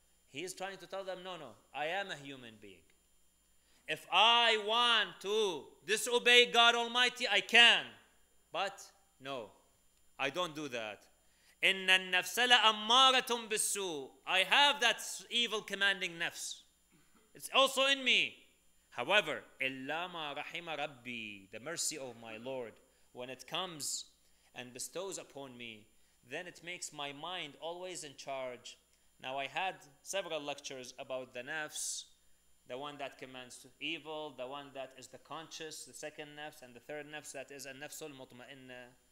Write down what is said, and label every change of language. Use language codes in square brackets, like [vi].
[en] He is trying to tell them, no, I am a human being. If I want to disobey God Almighty, I can. But no, I don't do that. [ar] إِنَّ النَّفْسَ لَأَمَّارَةٌ بِالسُّوءِ. [en] I have that evil commanding nafs. It's also in me. However, [ar] إِلَّا مَا رَحِمَ رَبِّي. [en] The mercy of my Lord. When it comes and bestows upon me, then it makes my mind always in charge. Now, I had several lectures about the nafs, the one that commands evil, the one that is the conscious, the second nafs, and the third nafs, that is an-nafsul mutma'inna.